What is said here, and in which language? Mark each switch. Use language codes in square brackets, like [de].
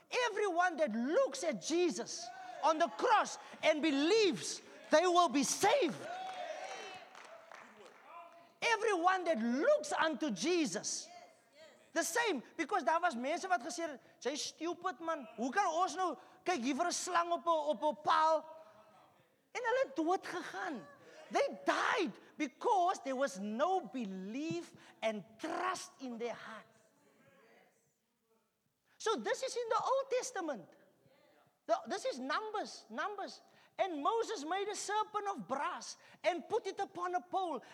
[en] Everyone that looks at Jesus on the cross and believes, they will be saved. Everyone that looks unto Jesus. The same, because [af] daar was mense wat gesê het, jy is stupid man. Hoe kan ons nou kyk hier vir 'n slang op 'n paal? En hulle het dood gegaan. [en] They died because there was no belief and trust in their heart. So this is in the Old Testament. This is Numbers. And Moses made a serpent of brass and put it upon a pole.